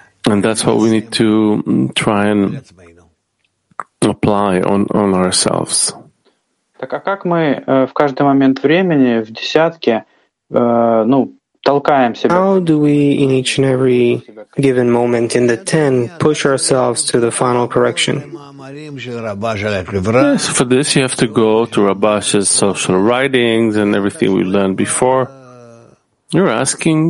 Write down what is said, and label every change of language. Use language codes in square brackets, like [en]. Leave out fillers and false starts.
[en] And that's what we need to try and apply on ourselves. [ru] Так а как мы в каждый момент времени в десятке ну толкаем себя? [en] How do we in each and every given moment in the ten push ourselves to the final correction? Yes, for this you have to go to Rabash's social writings and everything we learned before. You're asking.